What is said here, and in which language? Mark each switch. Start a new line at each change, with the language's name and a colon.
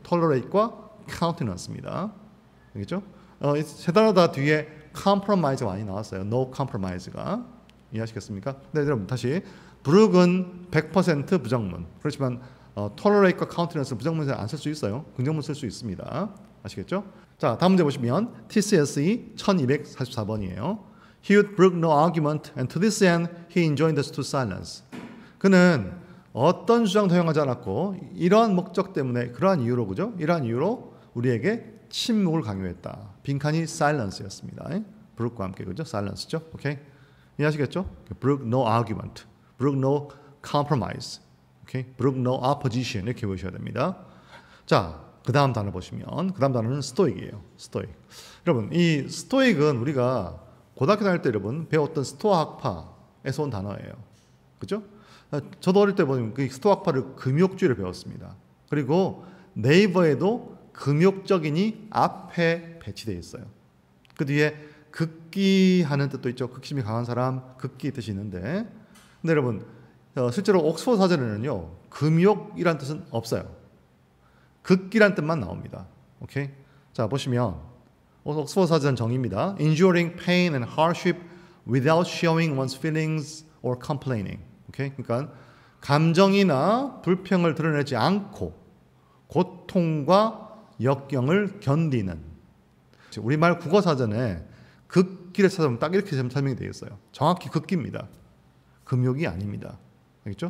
Korean: tolerate과 countenance입니다. 알겠죠? 세 단어 다 뒤에 compromise가 많이 나왔어요.
English: no compromise
Korean: 가. 이해하시겠습니까? 네, 여러분 다시 brook은 100% 부정문. 그렇지만 tolerate과 countenance는 부정문에서 안 쓸 수 있어요. 긍정문 쓸 수 있습니다. 아시겠죠? 자, 다음 문제 보시면 TCS의 1244번이에요.
English: He would brook no argument and to this end he enjoined us to silence.
Korean: 그는 어떤 주장도 허용하지 않았고 이러한 목적 때문에 그러한 이유로 그죠? 이러한 이유로 우리에게 침묵을 강요했다. 빈칸이 silence였습니다. 브룩과 함께 그죠? silence죠. 오케이. 이해하시겠죠?
English: brook no argument, brook no compromise, 오케이. brook no opposition
Korean: 이렇게 보셔야 됩니다. 자, 그 다음 단어 보시면 그 다음 단어는 stoic이에요. stoic. 여러분 이 stoic은 우리가 고등학교 다닐 때 여러분 배웠던 스토아 학파에서 온 단어예요. 그죠? 저도 어릴 때 보면 그 스토아 학파를 금욕주의를 배웠습니다. 그리고 네이버에도 금욕적인이 앞에 배치되어 있어요. 그 뒤에 극기하는 뜻도 있죠. 극심이 강한 사람, 극기 뜻이 있는데. 근데 여러분, 실제로 옥스퍼드 사전에는요, 금욕이란 뜻은 없어요. 극기란 뜻만 나옵니다. 오케이? 자, 보시면 옥스퍼드 사전 정의입니다.
English: Enduring pain and hardship without showing one's feelings or complaining.
Korean: 오케이? 그러니까 감정이나 불평을 드러내지 않고 고통과 역경을 견디는. 우리말 국어사전에 극기를 찾아보면 딱 이렇게 설명이 되겠어요. 정확히 극기입니다. 금욕이 아닙니다. 알겠죠?